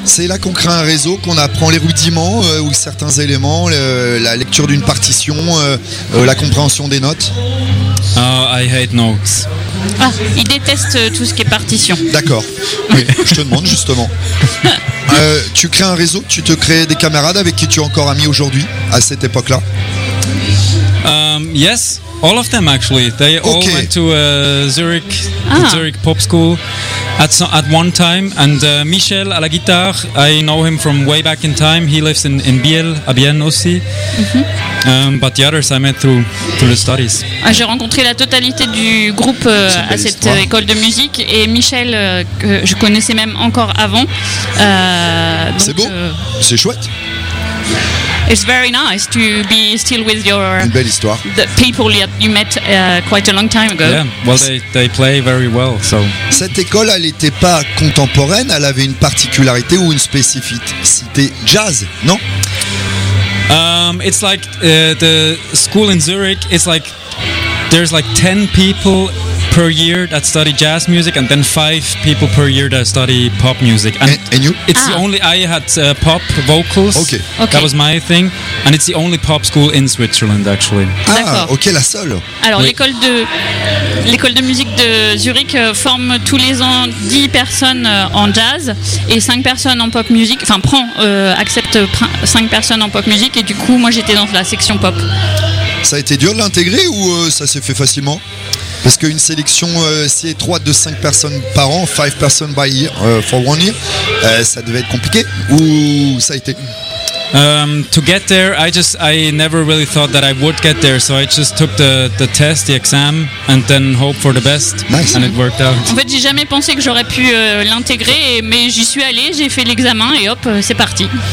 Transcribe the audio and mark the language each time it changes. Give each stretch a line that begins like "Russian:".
French: C'est là qu'on crée un réseau, qu'on apprend les rudiments ou certains éléments, la lecture d'une partition, la compréhension des notes.
English: I hate notes.
French: Ah, il déteste tout ce qui est partition. D'accord. Oui, je te demande justement. Tu crées un réseau, tu te crées des camarades avec qui tu es encore ami aujourd'hui, à cette époque-là.
English: Yes. All of them actually. They okay. all went to Zurich, the Zurich Pop School at one time. And Michel
French: à la guitare,
English: I know him from way back in time. He lives in Biel,
French: à Bienne aussi.
English: Mm-hmm. But the others I met through the studies.
French: Ah, j'ai rencontré la totalité du groupe à cette histoire. École de musique. Et Michel, que je connaissais même encore avant. Donc, c'est beau, c'est chouette.
English: It's very nice to be still with your
French: une belle histoire.
English: The people that you met quite a long time ago. Yeah, well, they play very well. So
French: cette école, elle n'était pas contemporaine. Elle avait une particularité ou une spécificité jazz, non?
English: It's like the school in Zurich. It's like there's like 10 people. per year that study jazz music, and then 5 people per year that study pop music. And you? It's the only, I had pop vocals. Okay. That was my thing. And it's the only pop school in Switzerland, actually.
French: Ah, ok, la seule. Alors, oui. l'école de musique de Zurich forme tous les ans 10 personnes en jazz et 5 personnes en pop music. Enfin, accepte 5 personnes en pop music. Et du coup, moi, j'étais dans la section pop. Ça a été dur de l'intégrer ou ça s'est fait facilement? Parce qu'une sélection si étroite de 5 personnes par an, 5 personnes
English: by year, for one year,
French: ça devait être compliqué ou ça a été?
English: To get there, I never really thought that I would get there, so I just took the test, the exam, and then hope for the best. Nice. And it worked out.
French: En fait, j'ai jamais pensé que j'aurais pu l'intégrer, mais j'y suis allé, j'ai fait l'examen et hop, c'est parti.